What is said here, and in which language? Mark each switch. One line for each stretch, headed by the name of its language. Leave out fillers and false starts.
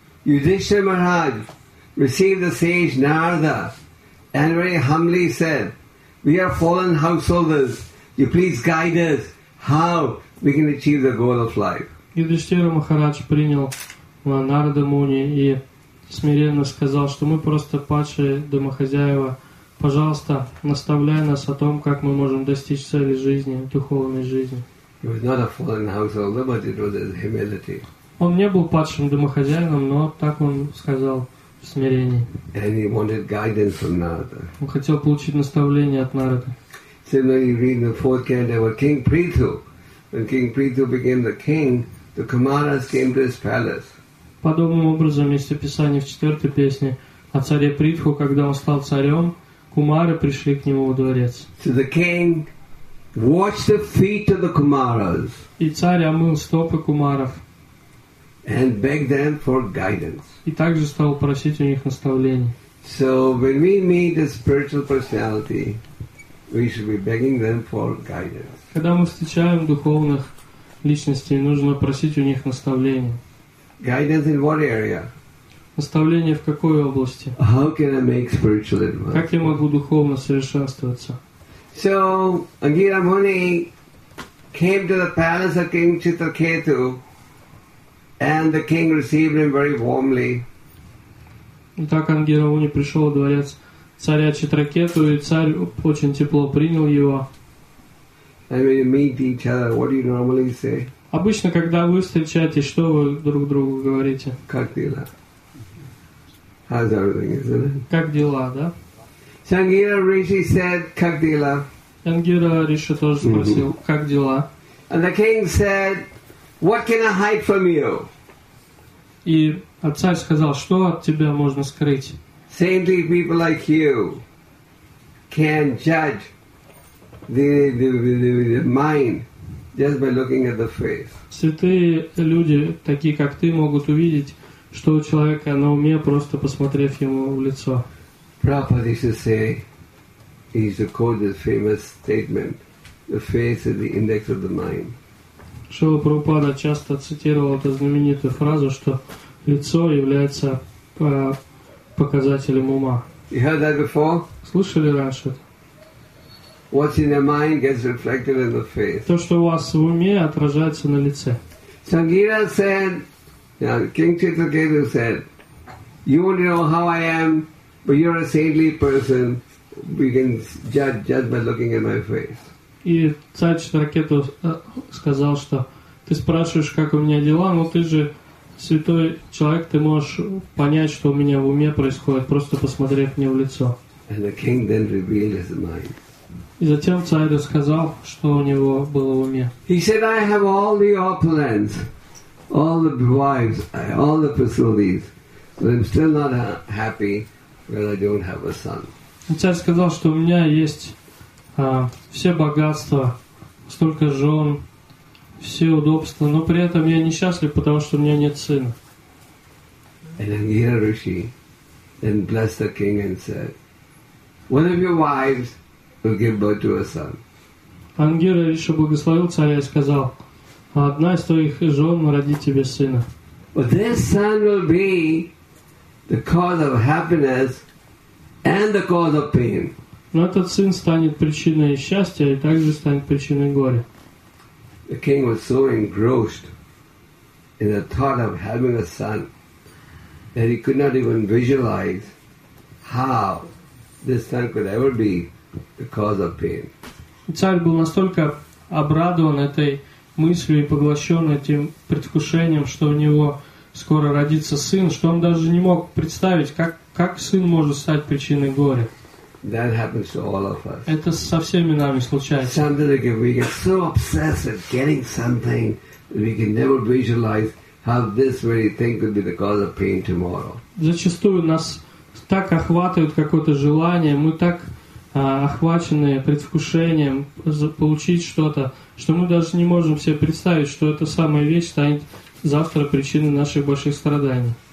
English: Yudhishthira Maharaj received the sage Narada and very humbly said, we are fallen householders. You please guide us how we can achieve the goal of life.
Russian: Yudhishthira Maharaj принял Narada Muni и смиренно сказал, что мы просто падшие домохозяева. Пожалуйста, наставляй нас о том, как мы можем достичь цели жизни, духовной жизни.
English: He was not a fallen householder, but it was his humility.
Russian: Он не был падшим домохозяином, но так он сказал.
English: And he wanted guidance from Narada.
Russian: Он хотел получить наставление от Нарады.
English: Similarly, you read in the fourth canto of King Prithu. When King Prithu became the king, the Kumaras came to his palace.
Russian: Подобным образом есть описание в четвертой песне о царе Притху, когда он стал царем, кумары пришли к нему во дворец.
English: So the king washed the feet of the Kumaras.
Russian: И царь омыл стопы кумаров.
English: And beg them for guidance.
Russian: И также стал просить у них наставления.
English: So when we meet a spiritual personality, we should be begging them for guidance.
Russian: Когда мы встречаем духовных личностей, нужно просить у них наставления.
English: Guidance in what area?
Russian: Наставление в какой области?
English: How can I make spiritual advance?
Russian: Как я могу духовно совершенствоваться?
English: So Angira Muni came to the palace of King Chitraketu. And the king received him very warmly.
Russian: Итак, Ангира Муни пришел в дворец царя Читракету, и царь очень тепло принял его.
English: And when you meet each other, what do you normally say?
Russian: Обычно, когда вы встречаетесь, что вы друг другу говорите? Как дела?
English: How's everything, isn't it?
Russian: Как дела, да?
English: Sangeeta Rishi said,
Russian: как дела? Сангира Риши тоже спросил, mm-hmm. как дела?
English: And the king said, what can I hide from you?
Russian: И царь сказал, что от тебя можно скрыть?
English: Saintly people like you can judge the mind just by looking at the face.
Russian: Святые люди, такие как ты, могут увидеть, что у человека на уме, просто посмотрев ему в лицо.
English: Prabhupada used to say, he used to quote this famous statement, the face is the index of the mind.
Russian: Шрила Прабхупада часто цитировал эту знаменитую фразу, что лицо является показателем ума.
English: You heard that before?
Russian: Слышали раньше?
English: What's in your mind gets reflected in the face.
Russian: То, что у вас в уме, отражается на лице.
English: Sangeeta said, you know, King Chitraketu said, you want to know how I am, but you're a saintly person, we can judge just by looking at my face.
Russian: И царь Чатракету сказал, что ты спрашиваешь, как у меня дела, но ты же святой человек, ты можешь понять, что у меня в уме происходит, просто посмотрев мне в лицо.
English: And the king then revealed his mind.
Russian: И затем царь рассказал, что у него было в уме.
English: He said, I have all the opulence, all the wives, all the facilities, but I'm still not happy when I don't have a son.
Russian: Царь сказал, что у меня есть все богатства, столько жен, все удобства, но при этом я несчастлив, потому что у меня нет сына.
English: And Angira Rishi then blessed the king and said, one of your wives will give birth to a son.
Russian: Ангира Риши благословил царя и сказал, одна из твоих жен родит тебе сына.
English: But this son will be the cause of happiness and the cause of pain.
Russian: Но этот сын станет причиной счастья и также станет причиной горя.
English: The king was so engrossed in the thought of having a son that he could not even visualize how this son could ever be the cause of pain.
Russian: Царь был настолько обрадован этой мыслью и поглощен этим предвкушением, что у него скоро родится сын, что он даже не мог представить, как сын может стать причиной горя.
English: That happens to all of us.
Russian: Это со всеми нами случается.
English: Sometimes we get so obsessed with getting something that we can never visualize how this very thing could be the cause of pain tomorrow.
Russian: Зачастую нас так охватывает какое-то желание, мы так охвачены предвкушением получить что-то, что мы даже не можем себе представить, что эта самая вещь станет завтра причиной наших больших страданий.